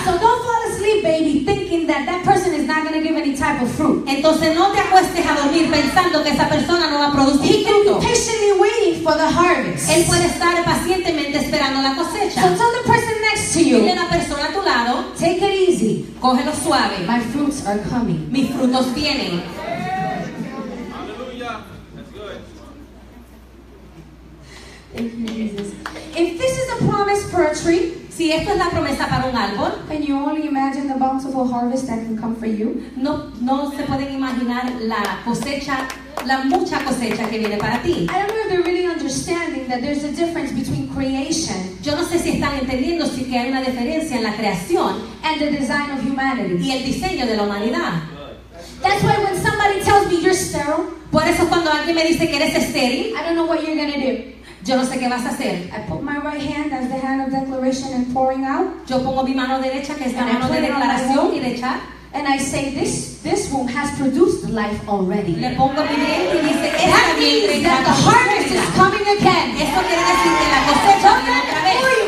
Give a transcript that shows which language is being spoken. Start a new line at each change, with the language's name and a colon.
English: So don't fall asleep, baby, thinking that that person is not going to give any type of fruit.
Spanish: Entonces no te acuestes a dormir pensando que esa persona no va a producir fruto.
English: He can be patiently waiting for the harvest.
Spanish: Él puede estar pacientemente esperando la cosecha.
English: So tell the person next to you,
Spanish: dile a la persona a tu lado,
English: take it easy,
Spanish: cógelo suave.
English: My fruits are coming.
Spanish: Mis frutos vienen.
English: If this is a promise for a tree,
Spanish: si esto es la promesa para un árbol,
English: can you only imagine the bountiful harvest that can come for you?
Spanish: No, no se pueden imaginar la cosecha, la mucha cosecha que viene para ti.
English: I don't know if you're really understanding that there's a difference between creation.
Spanish: Yo no sé si están entendiendo si que hay una diferencia en la creación
English: and the design of humanity.
Spanish: Y el diseño de la humanidad.
English: That's why when somebody tells me you're sterile,
Spanish: por eso cuando alguien me dice que eres estéril,
English: I don't know what you're gonna do.
Spanish: Yo no sé qué vas a hacer.
English: I put my right hand as the hand of declaration and pouring out.
Spanish: Yo pongo mi mano derecha que es la mano de declaración y de echar.
English: And I say this womb has produced life already.
Spanish: Le pongo mi diente y dice,
English: that means that the harvest is coming again.
Spanish: Esto quiere decir que la cosecha viene otra vez.